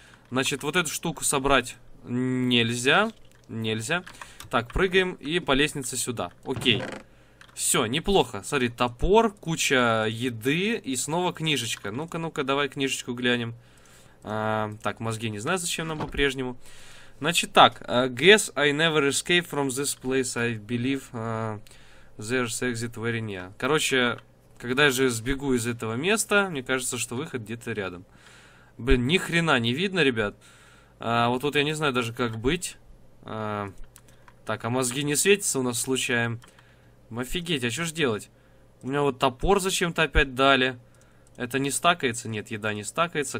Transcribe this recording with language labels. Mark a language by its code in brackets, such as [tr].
[ru] Значит, вот эту штуку собрать нельзя. Нельзя. Так, прыгаем и по лестнице сюда. Окей. Все, неплохо. Смотри, топор, куча еды и снова книжечка. Ну-ка, ну-ка, давай книжечку глянем. Так, мозги не знаю, зачем нам по-прежнему. Значит так. [en] Guess I never escape from this place. I believe there's exit very near. [ru] Короче, когда я же сбегу из этого места, мне кажется, что выход где-то рядом. Блин, ни хрена не видно, ребят. Вот тут я не знаю даже, как быть. Так, а мозги не светятся у нас случайно. Офигеть, а что же делать? У меня вот топор зачем-то опять дали. Это не стакается? Нет, еда не стакается.